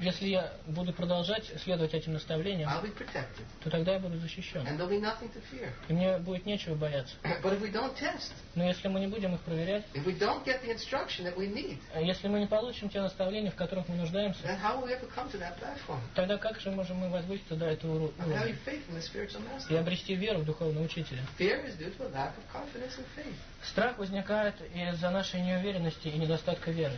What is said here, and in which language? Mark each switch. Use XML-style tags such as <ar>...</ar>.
<ru>если я буду продолжать следовать этим наставлениям,</ru> <en>I'll be protected.</en> <ru>То тогда я буду защищен.</ru> <en>And there'll be nothing to fear.</en> <ru>И мне будет нечего бояться.</ru> <en>But if we don't test,</en> <ru>но если мы не будем их проверять,</ru> <en>if we don't get the instruction that we need,</en> <ru>если мы не получим те наставления, в которых мы нуждаемся,</ru> <en>then how will we ever come to that platform?</en> <ru>Тогда как же можем мы возвыситься до этого уровня?</ru> <en>And having faith in the spiritual master.</en> <ru>И обрести веру в духовного учителя.</ru> <en>Fear is due to a lack of confidence and faith.</en> <ru>Страх возникает из-за нашей неуверенности и недостатка веры.</ru>